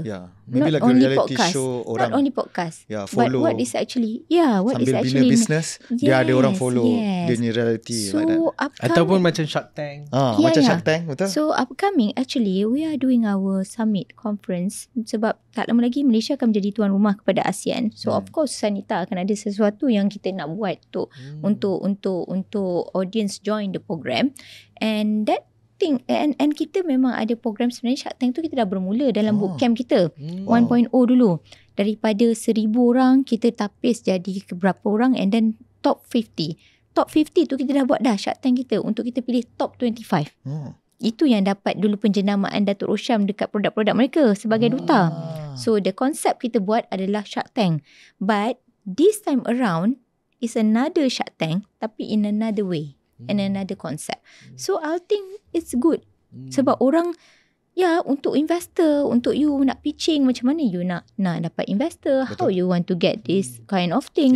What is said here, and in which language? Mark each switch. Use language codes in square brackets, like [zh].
[en] Yeah. Maybe not like only a reality podcast, show orang. Not only podcast. Yeah, follow. But what is actually. Yeah, what [ms] sambil [en] is actually. [ms] Sambil bina business, yes, dia ada orang follow. Yes. Dia punya reality [en] so, like that. Upcoming, [ms] ataupun macam Shark Tank. [en] Ah, yeah, macam yeah. Shark Tank, betul? So upcoming, actually, we are doing our summit conference. [ms] Sebab tak lama lagi, Malaysia akan menjadi tuan rumah kepada ASEAN. So of course, Sanita akan ada sesuatu yang kita nak buat tu. Untuk [en] audience join the program. And that. Thing. [ms] And kita memang ada program sebenarnya Shark Tank tu kita dah bermula dalam bootcamp kita 1.0 dulu. Daripada 1,000 orang kita tapis jadi berapa orang and then top 50. Top 50 tu kita dah buat dah Shark Tank kita untuk kita pilih top 25. Itu yang dapat dulu penjenamaan Datuk Rosham dekat produk-produk mereka sebagai duta. [en] So the concept [ms] kita buat adalah [en] Shark Tank. But this time around is another Shark Tank [ms] tapi [en] in another way. And another concept. So I think it's good. [ms] Sebab orang, ya, untuk investor, untuk you nak pitching, macam mana you nak dapat investor, betul. [en] How you want to get this kind of thing.